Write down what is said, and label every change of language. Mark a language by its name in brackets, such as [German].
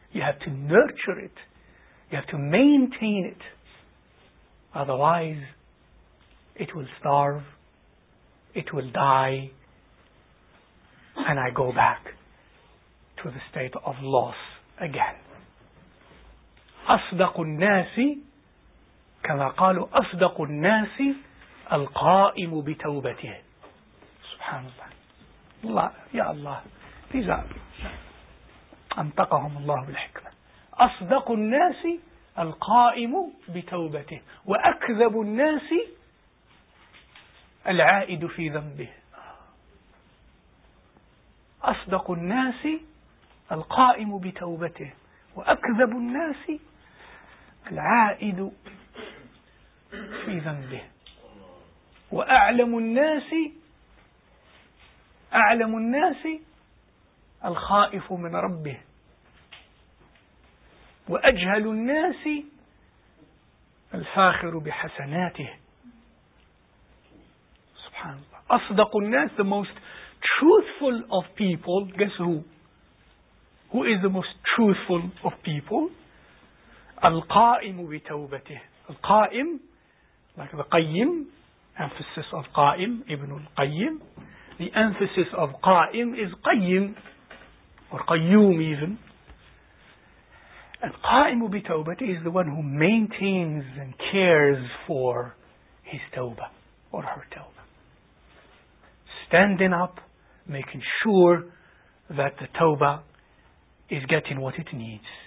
[English] You have to nurture it, you have to maintain it, otherwise it will starve, it will die, and I go back to the state of loss again. [Arabic] أصدق الناس كما قالوا أصدق الناس القائم بتوبته. Subhanallah. [English] Ya Allah, these are [Arabic] أنطقهم الله بالحكمة. أصدق الناس القائم بتوبته وأكذب الناس العائد في ذنبه. أصدق الناس القائم بتوبته وأكذب الناس العائد في ذنبه وأعلم الناس أعلم الناس الخائف من ربه وأجهل الناس الفاخر بحسناته. سبحان الله. أصدق الناس, [English] the most truthful of people, guess who? Who is the most truthful of people? [Arabic] القائم بتوبته. القائم, like the قيم, emphasis of قائم, ابن القيم. [English] The emphasis of قائم is قيم or قيوم even. And [Arabic] قائم بتوبته [English] is the one who maintains and cares for his tawbah or her tawbah. Standing up, making sure that the tawbah is getting what it needs.